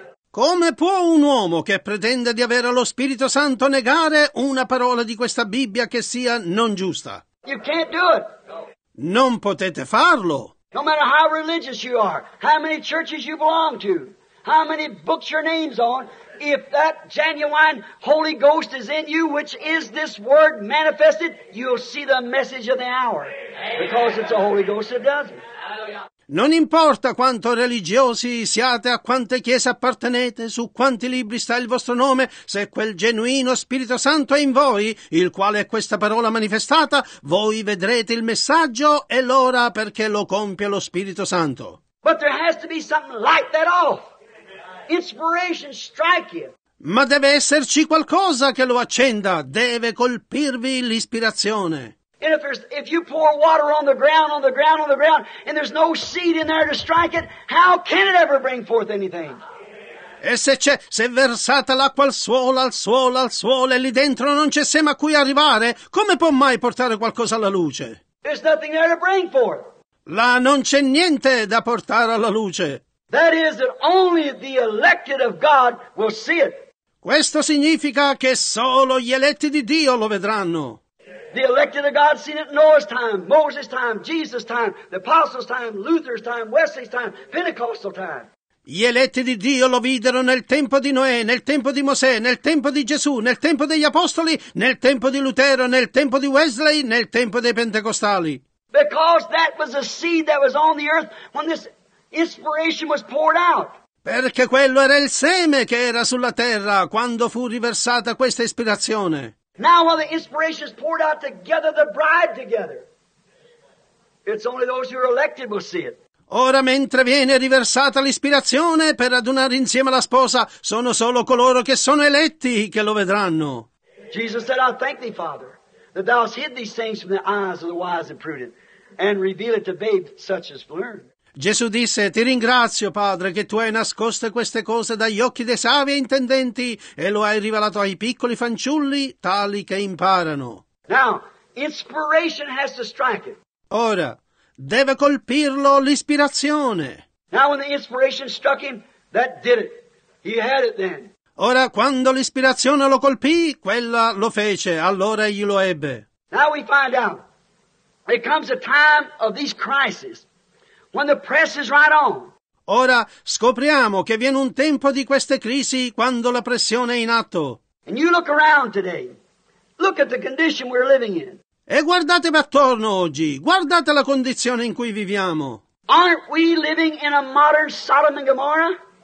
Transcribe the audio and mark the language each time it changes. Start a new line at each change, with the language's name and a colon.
Italian: Come può un uomo che pretende di avere lo Spirito Santo negare una parola di questa Bibbia che sia non giusta?
English: You can't do it.
Italian: Non potete farlo.
English: No matter how religious you are, how many churches you belong to, how many books your name's on, if that genuine Holy Ghost is in you, which is this word manifested, you'll see the message of the hour. Because it's a Holy Ghost that does it.
Italian: Non importa quanto religiosi siate, a quante chiese appartenete, su quanti libri sta il vostro nome, se quel genuino Spirito Santo è in voi, il quale è questa parola manifestata, voi vedrete il messaggio e l'ora perché lo compie lo Spirito Santo.
English: But there has to be something light that off. Inspiration strike you.
Italian: Ma deve esserci qualcosa che lo accenda, deve colpirvi l'ispirazione.
English: And if you pour water on the ground, and there's no seed in there to strike it, how can it ever bring forth anything?
Italian: E se versate l'acqua al suolo, e lì dentro non c'è seme a cui arrivare, come può mai portare qualcosa alla luce?
English: There's nothing there to bring forth.
Italian: Là non c'è niente da portare alla luce.
English: That is that only the elected of God will see it.
Italian: Questo significa che solo gli eletti di Dio lo vedranno.
English: The elected of God seen it in Noah's time, Moses' time, Jesus' time, the apostles' time, Luther's time, Wesley's time, Pentecostal time.
Italian: Gli eletti di Dio lo videro nel tempo di Noè, nel tempo di Mosè, nel tempo di Gesù, nel tempo degli apostoli, nel tempo di Lutero, nel tempo di Wesley, nel tempo dei pentecostali.
English: Because that was a seed that was on the earth when this inspiration was poured out.
Italian: Perché quello era il seme che era sulla terra quando fu riversata questa ispirazione.
English: Now while the inspiration is poured out together, the bride together. It's only those who are elected will see it.
Italian: Ora mentre viene riversata l'ispirazione per adunare insieme la sposa, sono solo coloro che sono eletti che lo vedranno.
English: Jesus said, I thank thee, Father, that thou hast hid these things from the eyes of the wise and prudent, and reveal it to babes such as learn.
Italian: Gesù disse, ti ringrazio, Padre, che tu hai nascosto queste cose dagli occhi dei savi e intendenti e lo hai rivelato ai piccoli fanciulli, tali che imparano.
English: Now, inspiration has to strike it.
Italian: Ora, deve colpirlo l'ispirazione.
English: Now, when the inspiration struck him, that did it. He had it then.
Italian: Ora, quando l'ispirazione lo colpì, quella lo fece, allora egli lo ebbe.
English: Now we find out, it comes a time of these crises. When the press is right on.
Italian: Ora scopriamo che viene un tempo di queste crisi quando la pressione è in atto.
English: And you look around today. Look at the condition we're living in.
Italian: E guardatevi attorno oggi. Guardate la condizione in cui viviamo.
English: Aren't we living in a modern Sodom and Gomorrah?